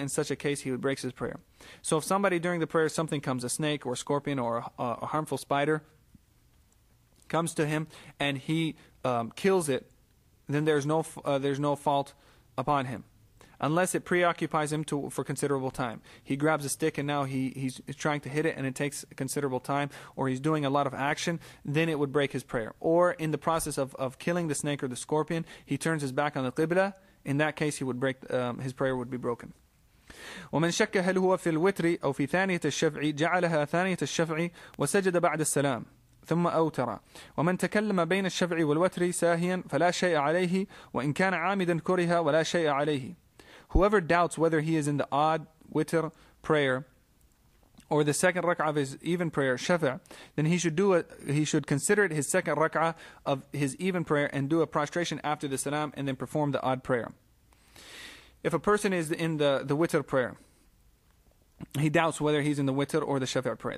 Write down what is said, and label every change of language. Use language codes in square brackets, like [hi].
[en] In such a case, he breaks his prayer. So if somebody during the prayer, something comes, a snake or a scorpion or a harmful spider comes to him and he kills it, then there's no fault upon him, unless it preoccupies him for considerable time. He grabs a stick and now he's trying to hit it and it takes considerable time, or he's doing a lot of action, then it would break his prayer. Or in the process of killing the snake or the scorpion, he turns his back on the qibla. In that case, he would break his prayer would be broken. [ar] ومن شك هل هو في الوتر أو في ثانية الشفع جعلها ثانية الشفع وسجد بعد السلام ثم أوتر ومن تكلم بين الشفع والوتر ساهيا فلا شيء عليه وإن كان عامدا كره ولا شيء عليه. [en] Whoever doubts whether he is in the odd witr prayer or the second rak'ah of his even prayer shafa', then he should consider it his second rak'ah of his even prayer and do a prostration after the salam and then perform the odd prayer. If a person is in the witr prayer, he doubts whether he's in the witr or the shafa' prayer.